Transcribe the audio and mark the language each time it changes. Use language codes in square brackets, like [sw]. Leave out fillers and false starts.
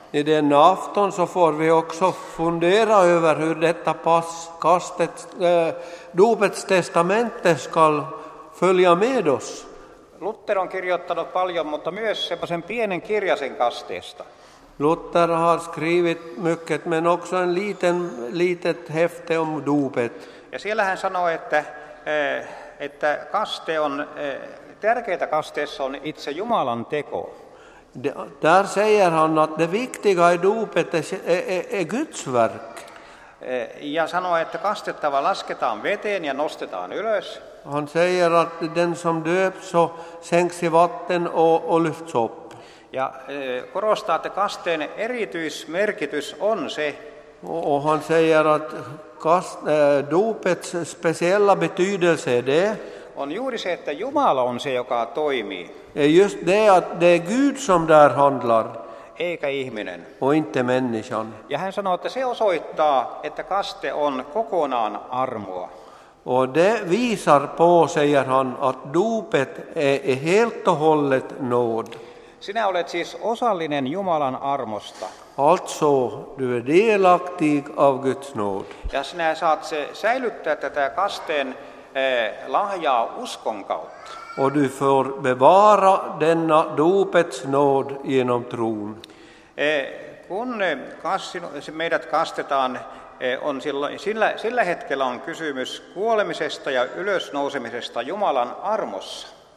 [sv] I den afton så får vi också fundera över hur detta pass, kastet, dopets testamente skall följa med oss. [fi] Luther on kirjoittanut paljon, mutta myös sen pienen kirjasen kasteesta. [sv] Luther har skrivit mycket, men också en litet häfte om dopet. [fi] Ja siellä hän sanoo, että kaste on... Tärkeintä kasteessa on itse Jumalan teko. [sv] Där säger han att det viktiga i dopet är Guds verk. [fi] Ja sanoo, että kastettava lasketaan veteen ja nostetaan ylös. [sv] Han säger att den som döps så sänks i vatten och lyfts upp. [fi] Ja korostaa, että kasteen erityismerkitys on se. [sv] Och han säger att dopets speciella betydelse är det. [fi] On juuri se, että Jumala on se, joka toimii. [sv] Ja just det, att det är Gud som där handlar. [fi] Eikä ihminen. [sv] Och inte människan. [fi] Ja hän sanoo, että se osoittaa, että kaste on kokonaan armoa. [sv] Och det visar på, säger han, att dopet är helt och hållet nåd. [fi] Sinä olet siis osallinen Jumalan armosta. [sv] Alltså, du är delaktig av Guds nåd. [fi] Ja sinä saat säilyttää tätä kasteen lahjaa uskon kautta. [sv] och du får bevara denna dopets nåd genom tron. [fi] Kun meidät kastetaan, on silloin, sillä hetkellä on kysymys kuolemisesta ja ylösnousemisesta Jumalan armossa.